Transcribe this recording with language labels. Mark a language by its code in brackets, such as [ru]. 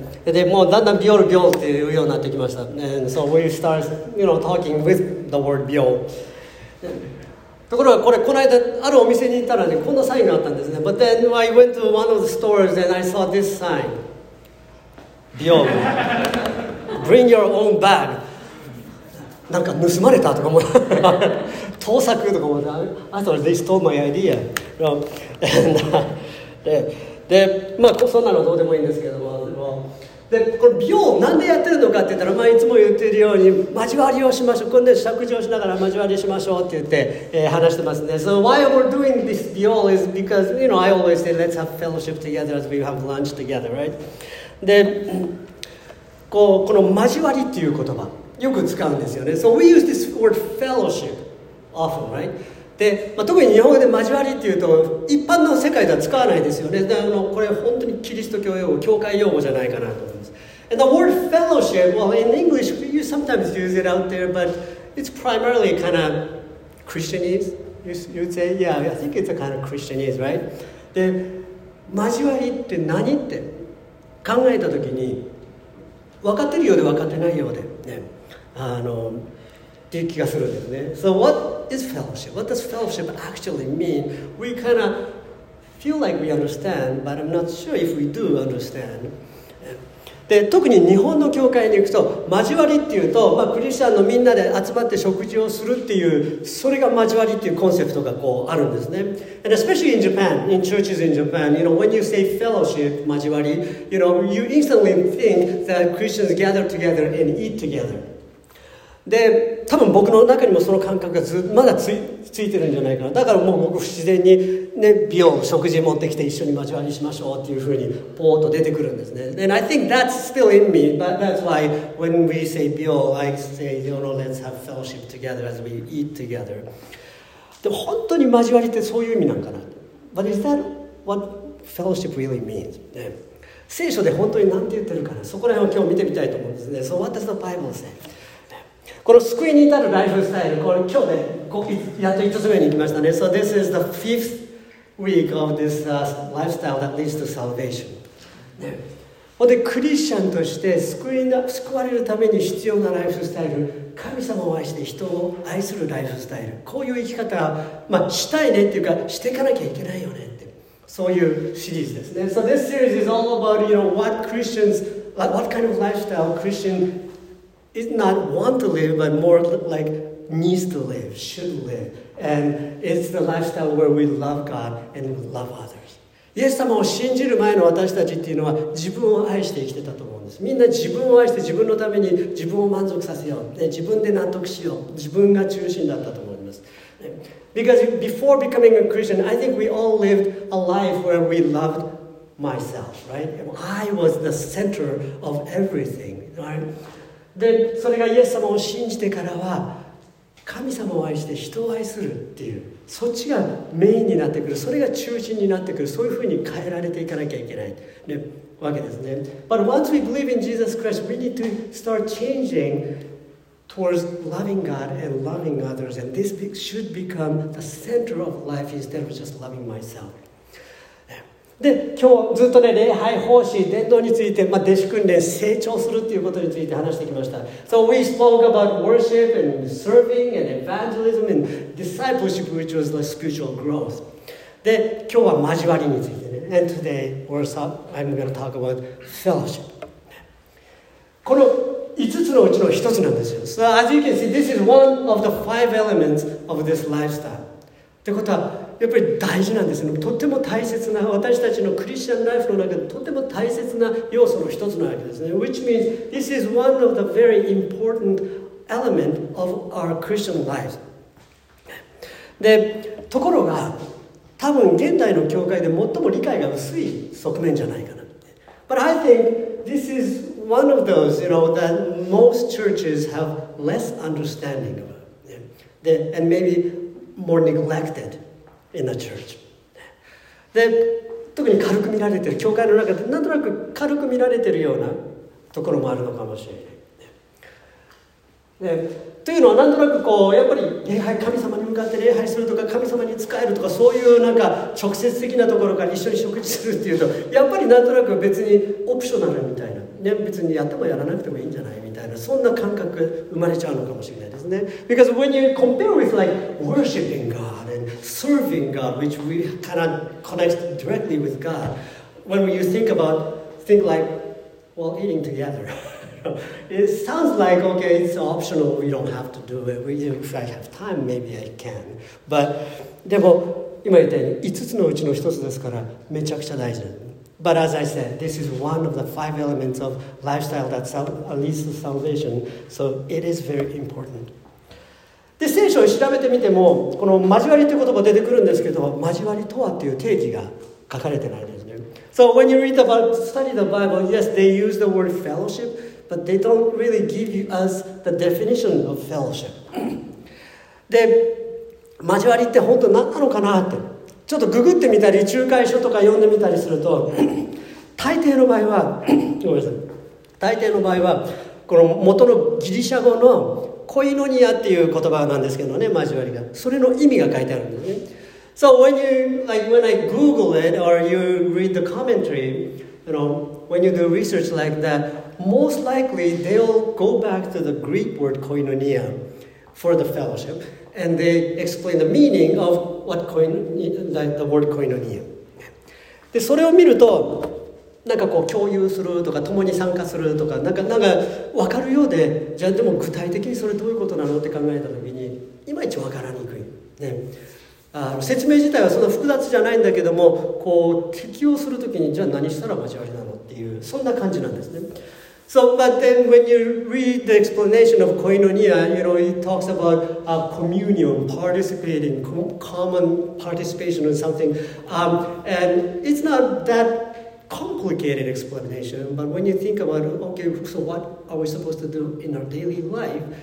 [ja] でもうだんだんビオールビオールっていうようになってきました。 [en] And so we start, you know, talking with the word ビオール。 [ja] ところがこれこの間あるお店に行ったらね、こんなサインがあったんですね。 [en] But then I went to one of the stores and I saw this sign. ビオール。Bring your own bag. [ja] なんか盗まれたとか思った。盗作とか思った。 [en] I thought they stole my idea. You know? [ja] And,でまあそんなのどうでもいいんですけども、でこの美容なんでやってるのかって言ったら、まあ、いつも言ってるように交わりをしましょう、今度は食事をしながら交わりしましょうって言って、話してますね。 [en] So why we're doing this 美容 is because you know I always say let's have fellowship together as we have lunch together, right? [ja] で この交わりっていう言葉よく使うんですよね。 [en] So we use this word fellowship often, right [ja] で、まあ、特に日本語で交わりっていうと一般の世界では使わないですよね。であのこれ本当にキリスト教用語、教会用語じゃないかなと思います。 [en] And the word fellowship, well, in English, you sometimes use it out there, but it's primarily kind of Christianese. You'd say, yeah, I think it's a kind of Christianese, right? [ja] で、交わりって何って考えたときに、分かってるようで分かってないようで、ね、あのっていう気がするんですね。 [en] So what is fellowship? What does fellowship actually mean? We kind of feel like we understand, but I'm not sure if we do understand. [ja] で、特に日本の教会に行くと、交わりっていうと、まあ、クリスチャンのみんなで集まって食事をするっていう、それが交わりっていうコンセプトがこうあるんですね。 [en] And especially in Japan, in churches in Japan, you know, when you say fellowship, 交わり, you know, you instantly think that Christians gather together and eat together. [ja] で、多分僕の中にもその感覚がまだついてるんじゃないかな。だからもう僕不自然にね、美容、食事持ってきて一緒に交わりしましょうっていうふうにポーッと出てくるんですね。 [en] And I think that's still in me, but that's why when we say 美容, I say, you know, let's have fellowship together as we eat together. [ja] で、本当に交わりってそういう意味なんかな。 [en] But is that what fellowship really means?、 [ja] ね、聖書で本当に何て言ってるかな。そこら辺を今日見てみたいと思うんですね。 [en] So what does the Bible say? [ja] この救いに至るライフスタイル、これ今日ね、やっと5つ目に行きましたね。 [en] So this is the fifth week of this、lifestyle that leads to salvation.、 [ja] ね、ほんで、クリスチャンとして救われるために必要なライフスタイル、神様を愛して人を愛するライフスタイル、こういう生き方、まあ、したいねっていうか、していかなきゃいけないよねって、そういうシリーズですね。 [en] So this series is all about, you know, what Christians, like, what kind of lifestyle Christian... is not want to live, but more like needs to live, should live. And it's the lifestyle where we love God and we love others. [ja] イエス様を信じる前の私たちっていうのは自分を愛して生きてたと思うんです。みんな自分を愛して自分のために自分を満足させよう。で、自分で納得しよう。自分が中心だったと思います。 [en] Because before becoming a Christian, I think we all lived a life where we loved myself, right? I was the center of everything, right? [ja] で、それがイエス様を信じてからは神様を愛して人を愛するっていう、そっちがメインになってくる、それが中心になってくる、そういうふうに変えられていかなきゃいけない、ね、わけですね。 [en] But once we believe in Jesus Christ, we need to start changing towards loving God and loving others, and this should become the center of life instead of just loving myself. [ja] で、今日ずっとね、礼拝奉仕、伝道について、まあ、弟子訓練、成長するっていうことについて話してきました。 [en] So we spoke about worship and serving and evangelism and discipleship, which was the spiritual growth. [ja] で、今日は交わりについてね。 [en] And today, I'm going to talk about fellowship. [ja] この5つのうちの1つなんですよ。 [en] So as you can see, this is one of the five elements of this lifestyle. [ja] ってことは、やっぱり大事なんですね。とっても大切な、私たちのクリスチャンライフの中でとっても大切な要素の一つなわけですね。 [en] Which means this is one of the very important element of our Christian life. [ja] で、ところが、多分現代の教会で最も理解が薄い側面じゃないかな。 [en] But I think this is one of those, you know, that most churches have less understanding of, and maybe more neglected in the church. [ja] で、特に軽く見られてる、教会の中でなんとなく軽く見られてるようなところもあるのかもしれない。ね、というのはなんとなくこうやっぱり礼拝、神様に向かって礼拝するとか神様に仕えるとかそういうなんか直接的なところから一緒に食事するっていうとやっぱりなんとなく別にオプショナルみたいな、ね、別にやってもやらなくてもいいんじゃないみたいなそんな感覚生まれちゃうのかもしれないですね。 [en] Because when you compare with like worshiping God and serving God, which we cannot connect directly with God, when you think like, well, eating together. It sounds like, okay, it's optional, we don't have to do it. If I have time, maybe I can. [ja] But, でも、今言ったように5つのうちの1つですから、めちゃくちゃ大事です。 [en] But as I said, this is one of the five elements of lifestyle that leads to salvation. So it is very important. [ja] で、聖書を調べてみても、この交わりという言葉出てくるんですけど、交わりとはっていう定義が書かれてないですね。 [en] So when you read about, study the Bible, yes, they use the word fellowship. But they don't really give us the definition of fellowship. [ja] で、交わりって本当何なのかなって、ちょっとググってみたり、仲介書とか読んでみたりすると、大抵の場合は、ごめんなさい、大抵の場合は、この元のギリシャ語のコイノニアっていう言葉なんですけどね、交わりが。それの意味が書いてあるんですね。 [en] So when you, like, when I Google it or you read the commentary, you know, when you do research like that,Most likely, they'll go back to the Greek word koinonia for the fellowship, and they explain the meaning of what the word koinonia. [ja] で、それを見ると、なんかこう共有するとか共に参加するとかなんか分かるようで、じゃあでも具体的にそれどういうことなのって考えたときに、いまいち分からにくい。ね、説明自体はそんな複雑じゃないんだけども、こう適用するときにじゃあ何したら交わりなのっていうそんな感じなんですね。 [en] So, but then when you read the explanation of koinonia, you know, it talks about a communion, participating, common participation in something. And it's not that complicated explanation, but when you think about, okay, so what are we supposed to do in our daily life?